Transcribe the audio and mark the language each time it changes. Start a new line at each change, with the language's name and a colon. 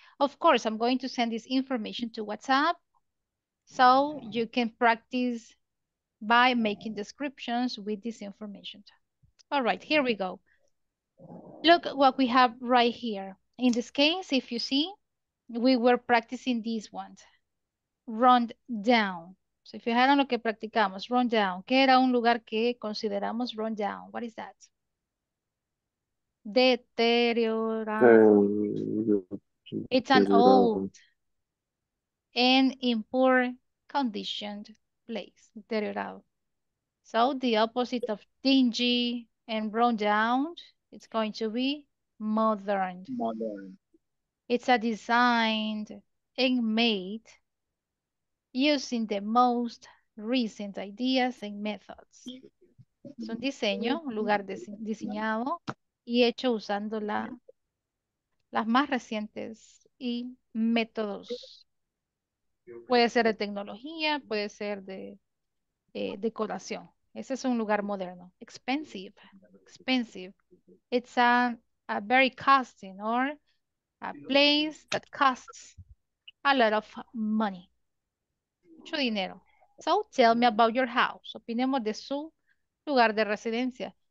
English: Of course, I'm going to send this information to WhatsApp so you can practice by making descriptions with this information. All right, here we go. Look what we have right here. In this case, if you see, we were practicing this one, run down.
Spanish: So, fijaron lo que practicamos, run down. ¿Qué era un lugar que consideramos run down?
English: What is that? Deteriorado. It's an old and in poor condition place, deteriorado. So, the opposite of dingy and run down, it's going to be modern. It's a designed and made using the most recent ideas and methods.
Spanish: Es un diseño, un lugar diseñado y hecho usando las más recientes y métodos. Puede ser de tecnología, puede ser de decoración. Ese es un lugar moderno. Expensive. Expensive.
English: It's a very costly or a place that costs a lot of money.
Spanish: Mucho dinero.
English: So tell me about your house.
Spanish: Opinemos de su lugar de residencia.